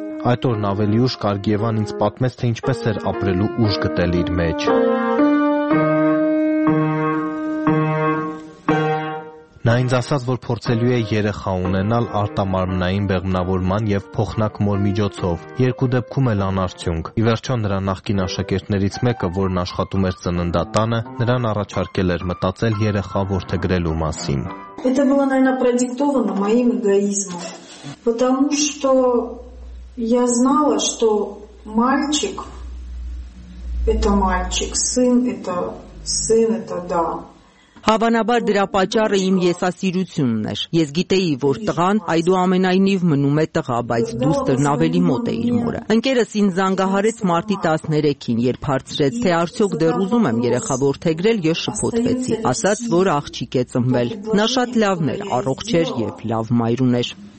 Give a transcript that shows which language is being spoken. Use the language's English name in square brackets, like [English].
[Armenian] Այդ օրն ավելի ուշ Կարգիևան ինձ պատմեց, թե ինչպես էր ապրելու ուժ գտել իր մեջ։ Նա ինձ ասաց, որ փորձելու է երեխա ունենալ արտամարմնային բեղմնավորման եւ փոխնակ մոր միջոցով։ Երկու դեպքում էլ անարդյունք։ Ի վերջո նրա նախկին աշակերտներից մեկը, որն աշխատում էր ծննդատանը, նրան առաջարկել էր մտածել երեխա որդը գրելու մասին։ [Russian] Это было, наверное, продиктовано моим эгоизмом, потому что я знала, что мальчик – это мальчик, сын – это да. [Armenian] Հավանաբար դրա պատճառը իմ եսասիրությունն էր։ Ես գիտեի, որ տղան այդուամենայնիվ մնում է տղա, բայց դուստրն ավելի մոտ է իր մորը։ Ընկերս ինձ զանգահարեց մարտի 13-ին, երբ հարցրեց, թե արդյոք դեռ ուզում եմ երեխա որդեգրել, ես շփոթվեցի, ասաց, որ աղջիկ է ծնվել։ Նա շատ լավն էր, առողջ էր եւ լավ մայր ուներ։